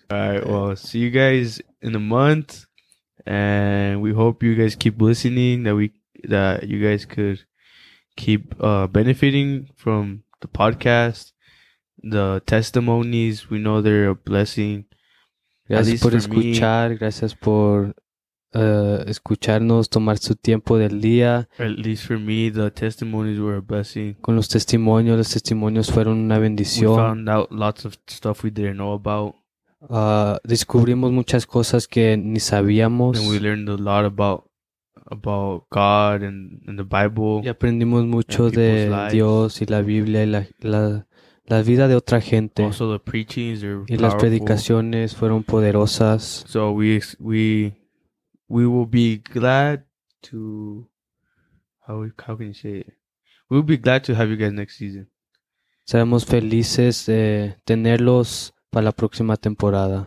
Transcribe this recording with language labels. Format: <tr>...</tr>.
<en>All right, well, see you guys in a month. And we hope you guys keep listening, that you guys could keep benefiting from the podcast, the testimonies. We know they're a blessing.</en> <es>Gracias por escuchar. Gracias por escucharnos, tomar su tiempo del día.</es> <en>At least for me, the testimonies were a blessing.</en> <es>Con los testimonios fueron una bendición.</es> <en>We found out lots of stuff we didn't know about.</en> <es>Descubrimos muchas cosas que ni sabíamos.</es> <en>And we learned a lot about God and the Bible.</en> <es>Y aprendimos mucho de Dios y la Biblia y la vida de otra gente.</es> <en>Also the preachings are powerful.</en> <es>Y las predicaciones fueron poderosas.</es> <en>So we will be glad to, how can you say it? We'll be glad to have you guys next season.</en> <es>Seremos felices de tenerlos para la próxima temporada.</es>